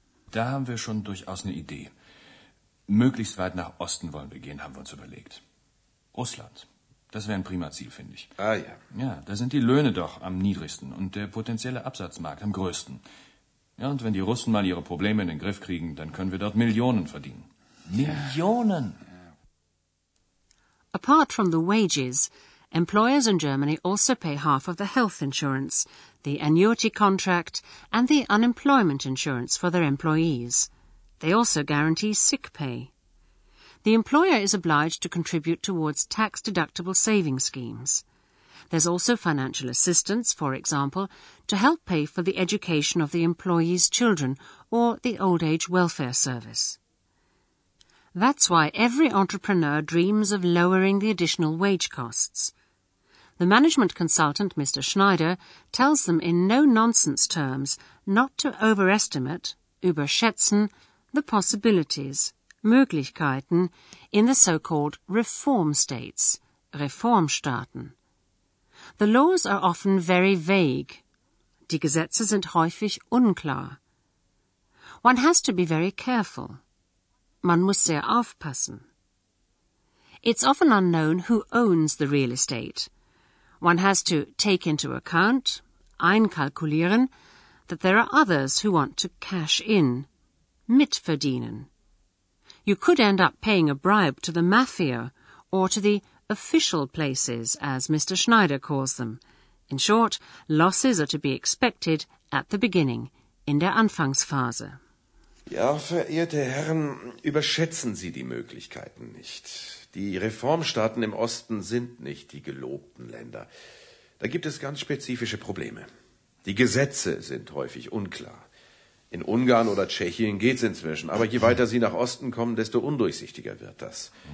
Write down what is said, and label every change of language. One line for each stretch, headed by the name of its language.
German: Da haben wir schon durchaus eine Idee. Möglichst weit nach Osten wollen wir gehen, haben wir uns überlegt. Russland, das wäre ein prima Ziel, finde ich. Ah ja. Ja, da sind die Löhne doch am niedrigsten und der potenzielle Absatzmarkt am größten. Ja, und wenn die Russen mal ihre Probleme in den Griff kriegen, dann können wir dort Millionen verdienen. Millionen!
English: Apart from the wages, employers in Germany also pay half of the health insurance, the annuity contract and the unemployment insurance for their employees. They also guarantee sick pay. The employer is obliged to contribute towards tax-deductible saving schemes. There's also financial assistance, for example, to help pay for the education of the employee's children or the old age welfare service. That's why every entrepreneur dreams of lowering the additional wage costs. The management consultant, Mr. Schneider, tells them in no-nonsense terms not to overestimate, überschätzen, the possibilities, Möglichkeiten, in the so-called reform states, Reformstaaten. The laws are often very vague.
German: Die Gesetze sind häufig unklar.
English: One has to be very careful.
German: Man muss sehr aufpassen.
English: It's often unknown who owns the real estate. One has to take into account, einkalkulieren, that there are others who want to cash in, mitverdienen. You could end up paying a bribe to the mafia or to the official places, as Mr. Schneider calls them. In short, losses are to be expected at the beginning,
German: in der Anfangsphase. Ja, verehrte Herren, überschätzen Sie die Möglichkeiten nicht. Die Reformstaaten im Osten sind nicht die gelobten Länder. Da gibt es ganz spezifische Probleme. Die Gesetze sind häufig unklar. In Ungarn oder Tschechien geht's inzwischen, aber je weiter Sie nach Osten kommen, desto undurchsichtiger wird das.